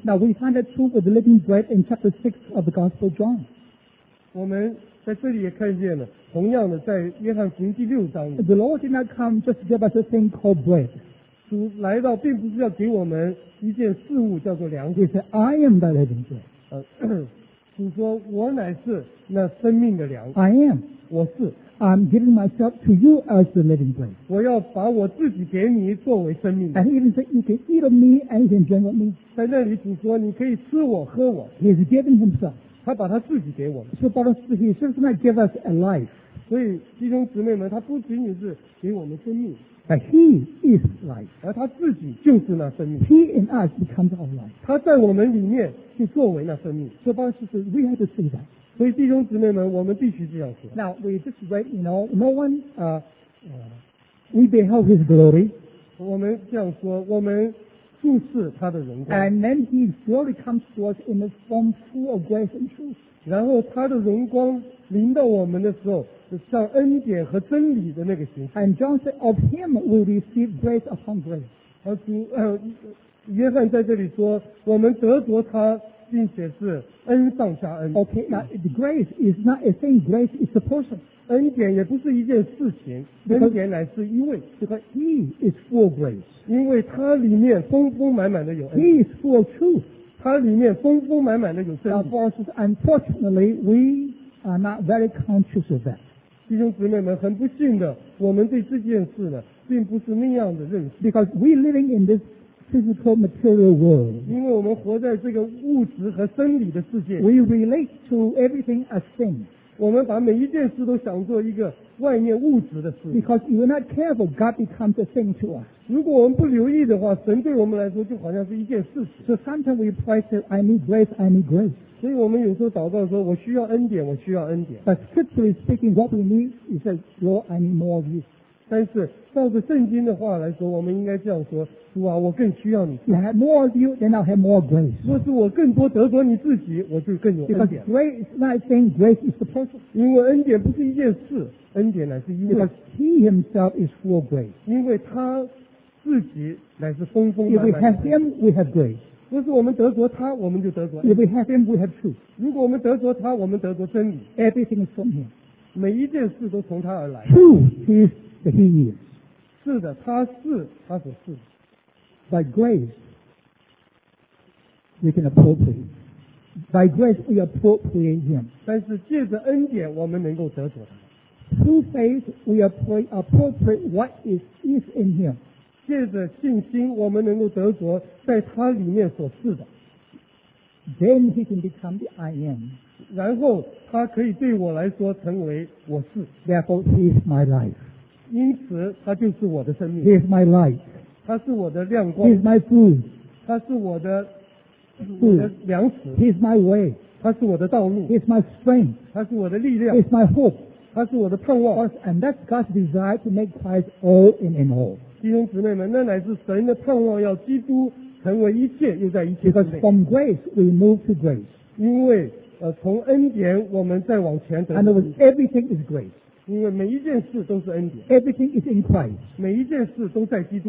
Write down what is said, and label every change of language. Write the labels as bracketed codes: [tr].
[en] Now we find that true with the living bread in chapter 6 of the Gospel of John. [zh] 我们在这里也看见了，同样的在约翰福音第六章里。 [en] The Lord did not come just to give us a thing called bread. [zh] 主来到并不是要给我们一件事物叫做粮食。 [en] He said, I am the living bread. [zh] 主说我乃是那生命的粮。 [en] I am. [zh] 我是。 [en] I'm giving myself to you as the living bread. [zh] 我要把我自己给你作为生命。 [en] And he even said, you can eat of me and you can drink of me. [zh] 在那里主说你可以吃我喝我。 [en] He is giving himself. [zh] 他把他自己给我们。 [en] So, brothers, he is not giving us a life. [zh] 所以弟兄姊妹们，他不仅仅是给我们生命。 [en] But he is life. [zh] 而他自己就是那生命。 [en] He in us becomes our life. [zh] 他在我们里面就作为那生命。 [en] So, brothers, we have to say that. [zh] 所以弟兄姊妹们，我们必须这样说。 [en] Now, we just read, you know, no one, we beheld his glory. [zh] 我们这样说，我们注视他的荣光。 [en] And then his glory comes to us in a form full of grace and truth. [zh] 然后他的荣光临到我们的时候，像恩典和真理的那个形象。 [en] And John said, "Of him we receive grace upon grace." [zh] 而主，约翰在这里说，我们得着他，并且是恩上加恩。 [en] Okay, now the grace is not a thing; grace is a person. [zh] 恩典也不是一件事情，恩典乃是一位。 [en] Because he is full grace. [zh] 因为他里面丰丰满满的有恩。 [en] He is full truth. [zh] 他里面丰丰满满的有真理。 [en] Now, for us, unfortunately, we are not very conscious of that. [zh] 弟兄姊妹们，很不幸的，我们对这件事呢，并不是那样的认识。 [en] Because we living in this physical material world. [zh] 因为我们活在这个物质和生理的世界。 [en] We relate to everything as thing. [zh] 我们把每一件事都想做一个外面物质的事。 [en] Because if we're not careful, God becomes a thing to us. [zh] 如果我们不留意的话，神对我们来说就好像是一件事情。 [en] So sometimes we pray, I need grace, I need grace. [zh] 所以我们有时候祷告说，我需要恩典，我需要恩典。 [en] But scripturally speaking, what we need is that Lord, I need more of you. [zh] 但是照着圣经的话来说，我们应该这样说：主啊，我更需要你。 [en] You have more of you, then I'll have more grace. [zh] 若是我更多得着你自己，我就更有恩典。 [en] Because grace is not a thing, grace is the person. [zh] 因为恩典不是一件事，恩典乃是一位。 [en] Because he himself is full of grace. [zh] 因为他自己乃是丰丰满满。 [en] If we have him, we have grace. [zh] 若是我们得着他，我们就得着。 [en] If we have him, we have truth. [zh] 如果我们得着他，我们得着真理。 [en] Everything is from him. [zh] 每一件事都从他而来。 [en] Truth is the he is. [zh] 是的，他是他所是。 [en] By grace, we can appropriate. By grace, we appropriate him. [zh] 但是借着恩典，我们能够得着他。 [en] Through faith, we appropriate what is in him. [zh] 借着信心，我们能够得着在他里面所赐的。 [en] Then he can become the I am. [zh] 然后他可以对我来说成为我是。 [en] Therefore he is my life. [zh] 因此他就是我的生命。 [en] He is my light. [zh] 他是我的亮光。 [en] He is my food. [zh] 他是我的粮食。 [en] He is my way. [zh] 他是我的道路。 [en] He is my strength. [zh] 他是我的力量。 [en] He is my hope. [zh] 他是我的盼望。 [en] And that's God's desire to make Christ all in all. [zh] 弟兄姊妹们，那乃是神的盼望，要基督成为一切，又在一切之内。 [en] Because from grace we move to grace. [zh] 因为从恩典我们再往前走。 [en] And everything is grace. [zh] 因为每一件事都是恩典。 [en] Everything is in Christ. [zh] 每一件事都在基督。